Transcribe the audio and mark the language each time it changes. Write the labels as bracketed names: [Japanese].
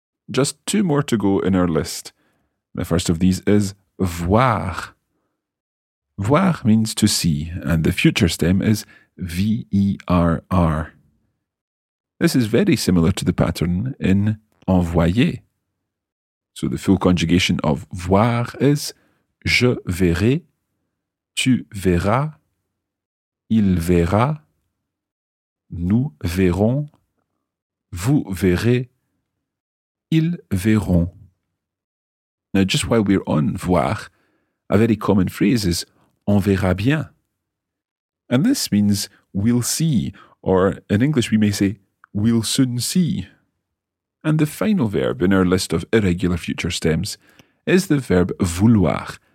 [English] Just two more to go in our list. The first of these is voir. Voir means to see, and the future stem is V-E-R-R. This is very similar to the pattern in envoyer. So the full conjugation of voir is [French] je verrai, tu verras, il verra, nous verrons, vous verrez, ils verront. [English] Now, just while we're on voir, a very common phrase is [French] on verra bien. [English] And this means we'll see, or in English we may say we'll soon see. And the final verb in our list of irregular future stems is the verb vouloir.